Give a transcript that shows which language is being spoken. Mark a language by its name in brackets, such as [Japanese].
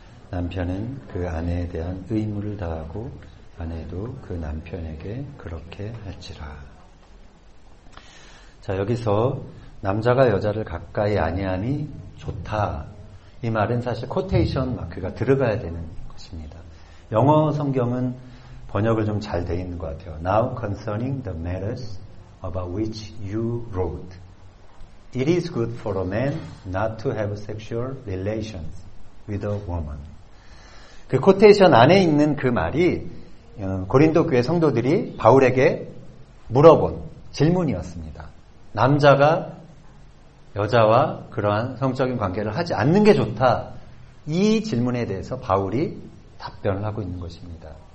[Korean] 남편은 그 아내에 대한 의무를 다하고 아내도 그 남편에게 그렇게 할지라. 자, 여기서 남자가 여자를 가까이 아니하니 좋다. 이 말은 사실 코테이션 마크가 들어가야 되는 것입니다. 영어 성경은 번역을 좀 잘 되어 있는 것 같아요. [English] Now concerning the matters about which you wrote. It is good for a man not to have sexual relations with a woman. [Korean] 그 코테이션 안에 있는 그 말이 고린도 교회 성도들이 바울에게 물어본 질문이었습니다. 남자가 여자와 그러한 성적인 관계를 하지 않는 게 좋다. 이 질문에 대해서 바울이 답변을 하고 있는 것입니다.